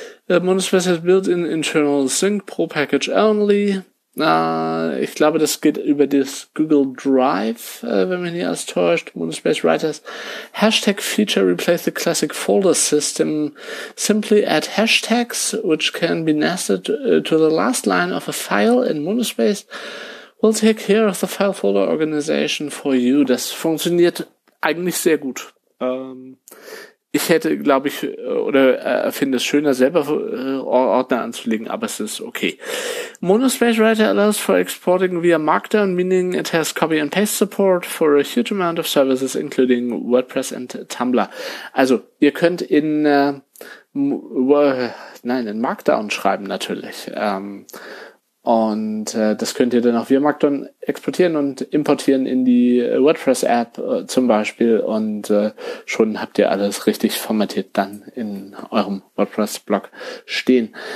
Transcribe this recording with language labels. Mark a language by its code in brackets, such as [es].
[en] Monospace has built in internal sync pro package only. [de] Ich glaube, das geht über das Google Drive, wenn mich nicht alles täuscht. [en] Monospace Writers. Hashtag feature replace the classic folder system. Simply add hashtags, which can be nested to the last line of a file in Monospace. We'll take care of the file folder organization for you. [de] Das funktioniert eigentlich sehr gut. Ich hätte, glaube ich, oder finde es schöner, selber Ordner anzulegen, aber es ist okay. [en] Monospace Writer allows for exporting via Markdown, meaning it has copy and paste support for a huge amount of services, including WordPress and Tumblr. [de] Also, ihr könnt in Markdown schreiben natürlich. Das könnt ihr dann auch via Markdown exportieren und importieren in die WordPress-App zum Beispiel und schon habt ihr alles richtig formatiert dann in eurem WordPress-Blog stehen.